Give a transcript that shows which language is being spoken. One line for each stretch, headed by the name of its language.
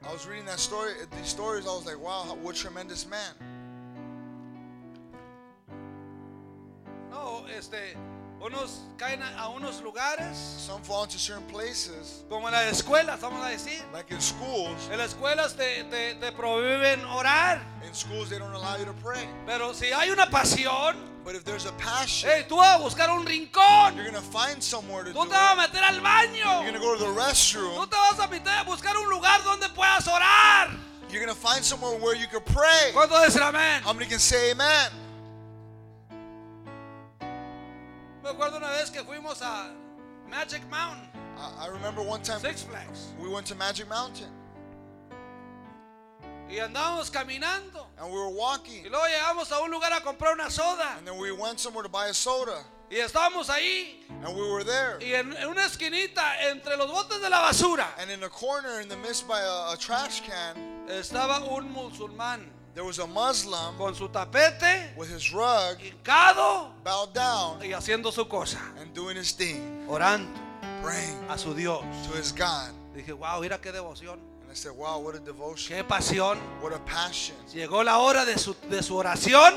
English: I was reading that story, these stories, I was like, wow, what tremendous man.
Spanish: No, unos caen a unos lugares.
English: Some fall into certain places.
Spanish: Como en las escuelas, vamos a decir.
English: Like in schools.
Spanish: En las escuelas te prohíben orar.
English: In schools they don't allow you to pray.
Spanish: Pero si hay una pasión.
English: But if there's a passion,
Spanish: hey, tú vas a buscar un rincón.
English: You're going to find somewhere to
Spanish: tú
English: do it.
Spanish: Tú te vas a meter al baño.
English: You're going to go to the restroom.
Spanish: Tú te vas a meter a buscar un lugar donde puedas orar.
English: You're going to find somewhere where you can pray.
Spanish: ¿Cuánto dicen amén?
English: How many can say amen?
Spanish: Me acuerdo una vez que fuimos a Magic Mountain.
English: I remember one time Six Flags. We went to Magic Mountain.
Spanish: Y andábamos caminando.
English: And we were walking.
Spanish: Y luego llegamos a un lugar a comprar una soda.
English: And then we went somewhere to buy a soda.
Spanish: Y estábamos ahí.
English: And we were there.
Spanish: Y en una esquinita entre los botes de la basura.
English: And in a corner in the midst by a trash can.
Spanish: Estaba un musulmán.
English: There was a Muslim
Spanish: con su tapete,
English: with his rug
Spanish: hincado,
English: bowed down
Spanish: y haciendo su cosa,
English: and doing his thing,
Spanish: orando,
English: praying
Spanish: a su Dios,
English: to his God.
Spanish: Dije, wow, mira qué devoción.
English: And I said, wow, what a devotion.
Spanish: Qué pasión.
English: What a passion.
Spanish: Llegó la hora de su oración.